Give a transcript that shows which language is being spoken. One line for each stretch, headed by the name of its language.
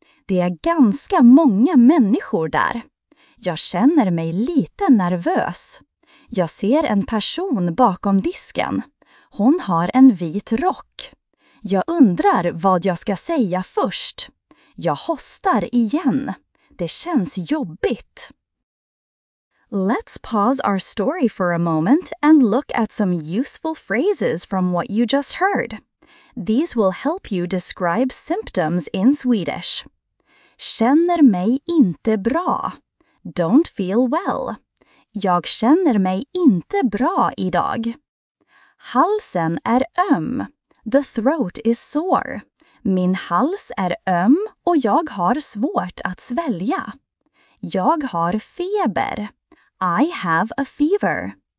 Swedish: Det är ganska många människor där. Jag känner mig lite nervös. Jag ser en person bakom disken. Hon har en vit rock. Jag undrar vad jag ska säga först. Jag hostar igen. Det känns jobbigt.
English: Let's pause our story for a moment and look at some useful phrases from what you just heard. These will help you describe symptoms in Swedish.
Swedish: Känner mig inte bra.
English: Don't feel well.
Swedish: Jag känner mig inte bra idag. Halsen är öm.
English: The throat is sore.
Swedish: Min hals är öm och jag har svårt att svälja. Jag har feber.
English: I have a fever.